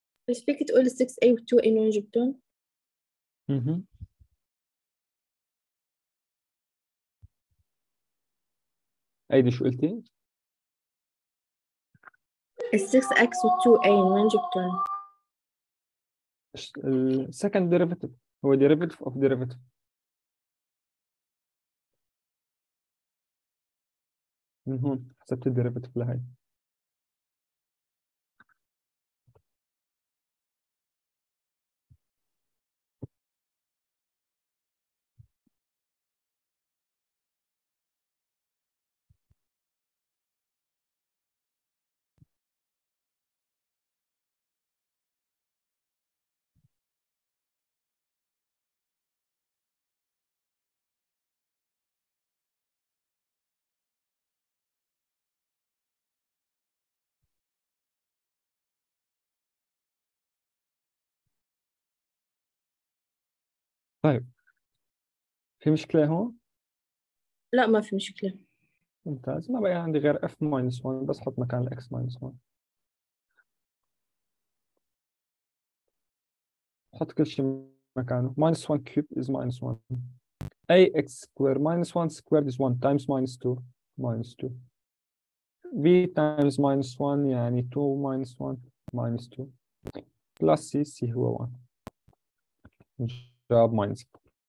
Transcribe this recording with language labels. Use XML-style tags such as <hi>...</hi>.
<ar>بس فيك تقول 6a و 2a من وين جبتهم؟ ايدي شو قلتي؟ 6x و 2a من وين جبتهم؟</ar> <en>ال second derivative هو derivative of derivative.</en> <ar>من هون حسبت ال derivative لهي. طيب في مشكلة هون؟ لا ما في مشكلة. ممتاز، ما بقى عندي غير f minus 1، بس حط مكان x minus 1، حط كل شيء مكانه.</ar> <en>minus 1 cube is minus 1، a x square minus 1 squared is 1 times minus 2 minus 2، v times minus 1 يعني 2 minus 1 minus 2، plus c c هو 1، جواب minus 1.</en>